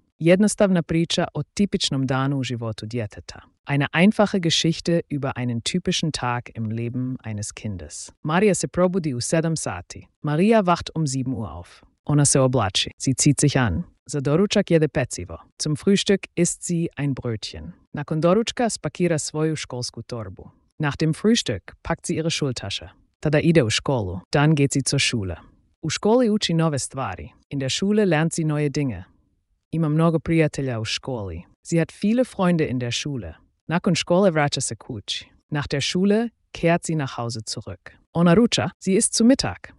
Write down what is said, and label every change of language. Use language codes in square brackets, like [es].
[hr] Jednostavna priča o tipičnom danu u životu djeteta. [de] Eine einfache Geschichte über einen typischen Tag im Leben eines Kindes. [hr] Maria se probudi u 7 sati. [de] Maria wacht um 7 Uhr auf. [hr] Ona se oblači. [de] Sie zieht sich an. [hr] Za doručak jede pecivo. [de] Zum Frühstück isst sie ein Brötchen. [hr] Nakon doručka spakira svoju školsku torbu. [de] Nach dem Frühstück packt sie ihre Schultasche. [hr] Tada ide u školu. [de] Dann geht sie zur Schule. [hr] U školi uči nove stvari. [de] In der Schule lernt sie neue Dinge. [hr] Ima mnogo prijatelja u školi. [de] Sie hat viele Freunde in der Schule. [hr] Nakon škole vraća se kući. [de] Nach der Schule kehrt sie nach Hause zurück. [hr] Ona ruča. [de] Sie isst zu Mittag.